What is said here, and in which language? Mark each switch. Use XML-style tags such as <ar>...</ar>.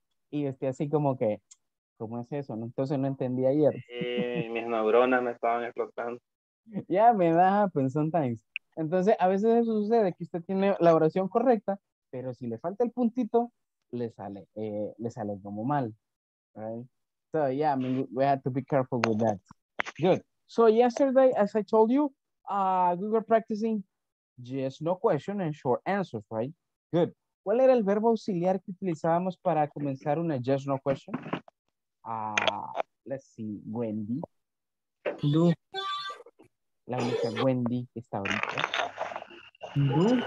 <es>Y estoy así como que, ¿cómo es eso? Entonces no entendí ayer. Mis neuronas me estaban explotando. Ya me da, pues, sometimes. Entonces, a veces eso sucede, que usted tiene la oración correcta, pero si le falta el puntito, le sale como mal.</es> <en>Right? So, yeah, I mean, we have to be careful with that. Good. So, yesterday, as I told you, we were practicing yes, no question and short answers, right? Good.</en> <es>¿Cuál era el verbo auxiliar que utilizábamos para comenzar una yes, no question?</es> <en>Let's see, Wendy. Blue.</en> <es>La única Wendy que está ahorita.</es> <en>Do.</en>